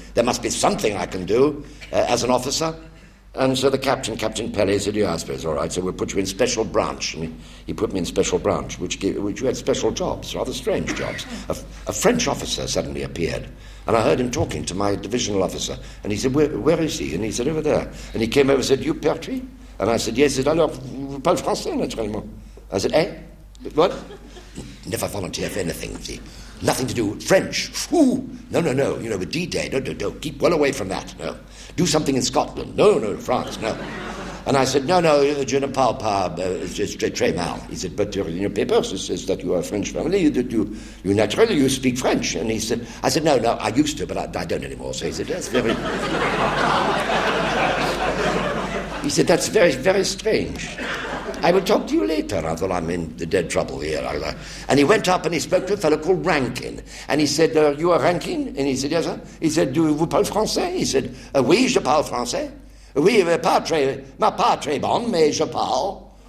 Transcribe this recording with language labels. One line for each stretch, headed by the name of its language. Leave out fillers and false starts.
English: There must be something I can do as an officer. And so the captain, Captain Pelley, said, yeah, I suppose, all right, so we'll put you in special branch. And he put me in special branch, which you had special jobs, rather strange jobs. A French officer suddenly appeared, and I heard him talking to my divisional officer, and he said, where is he? And he said, over there. And he came over and said, you Pertuis? And I said, yes,
French: alors, vous parlez français, naturellement.
English: I said, eh? What? Never volunteer for anything, see. Nothing to do with French. Ooh, no, no, no, you know, with D-Day. No, no, no, keep well away from that, no. Do something in Scotland. No, no, France, no. And I said, no, no,
French: je ne parle pas, c'est très mal.
English: He said, but in your papers, it says that you are a French family. You naturally, you speak French. And he said, I said, no, no, I used to, but I don't anymore. So he said, that's very... He said, that's very, very strange. I will talk to you later. I thought, I'm in the dead trouble here. And he went up and he spoke to a fellow called Rankin. And he said, you are Rankin? And he said, yes, sir. He said, do you
French: parle français?
English: He said,
French: oui, je parle français. Oui, pas très bon, mais je parle.